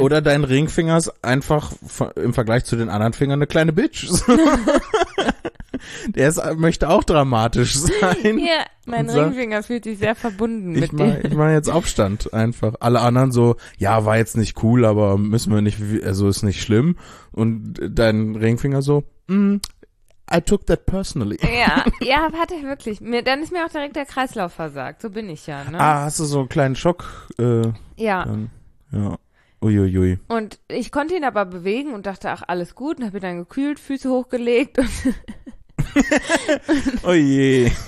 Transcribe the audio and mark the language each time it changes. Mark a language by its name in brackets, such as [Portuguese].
[German] Oder dein Ringfinger ist einfach im Vergleich zu den anderen Fingern eine kleine Bitch. Möchte auch dramatisch sein. Ja, mein Ringfinger fühlt sich sehr verbunden mit dir. Ich mache jetzt Aufstand einfach. Alle anderen so, ja, war jetzt nicht cool, aber müssen wir nicht, also ist nicht schlimm. Und dein Ringfinger so, [English] I took that personally. [German] Ja, hatte ich wirklich. Dann ist mir auch direkt der Kreislauf versagt. So bin ich ja, ne? Ah, hast du so einen kleinen Schock? Ja. Ja. Uiuiui. Und ich konnte ihn aber bewegen und dachte, ach, alles gut. Und habe ihn dann gekühlt, Füße hochgelegt und Oh je.